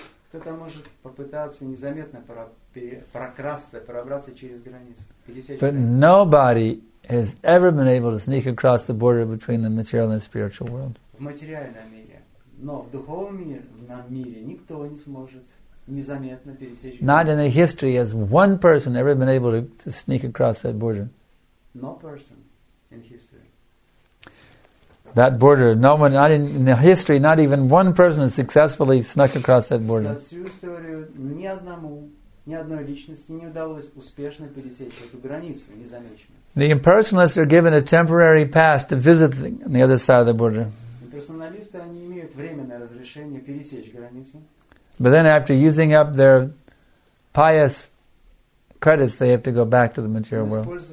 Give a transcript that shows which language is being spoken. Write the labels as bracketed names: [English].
[Russian] Кто-то может попытаться незаметно прокрасться, пробраться через границу. [English] But nobody has ever been able to sneak across the border between the material and spiritual world. [Russian] В материальном мире. Но в духовном мире, в мире никто не сможет. [English] Not in the history has one person ever been able to sneak across that border. No person in history. That border, no one, not in, in the history, not even one person has successfully snuck across that border. [Russian] За всю историю ни одному, ни одной личности не удалось успешно пересечь эту границу незамеченной. [English] The impersonalists are given a temporary pass to visit the other side of the border. [Russian] Имперсоналисты, они имеют временное разрешение пересечь границу. [English] But then after using up their pious credits, they have to go back to the material world.